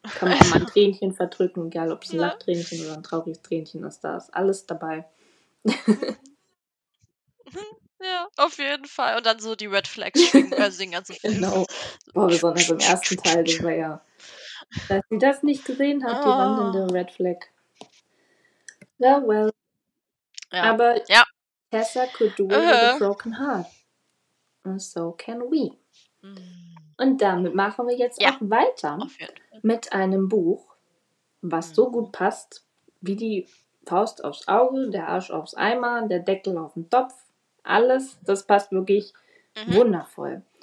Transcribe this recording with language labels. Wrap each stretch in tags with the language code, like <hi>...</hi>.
<de>Kann man auch mal ein Tränchen verdrücken, egal ob es ein Lachtränchen oder ein trauriges Tränchen ist, da ist alles dabei. Ja, auf jeden Fall. Und dann so die Red Flags schwingen, also den ganzen Film. Genau. Boah, besonders im ersten Teil, den war ja. Dass sie das nicht gesehen hat, die wandelnde Red Flag. Ja, well. Ja. Aber ja.</de> <en>Tessa could do it with a broken heart. And so can we. Mhm.</en> <de>Und damit machen wir jetzt auch weiter mit einem Buch, was so gut passt, wie die Faust aufs Auge, der Arsch aufs Eimer, der Deckel auf den Topf. Alles, das passt wirklich wundervoll.</de>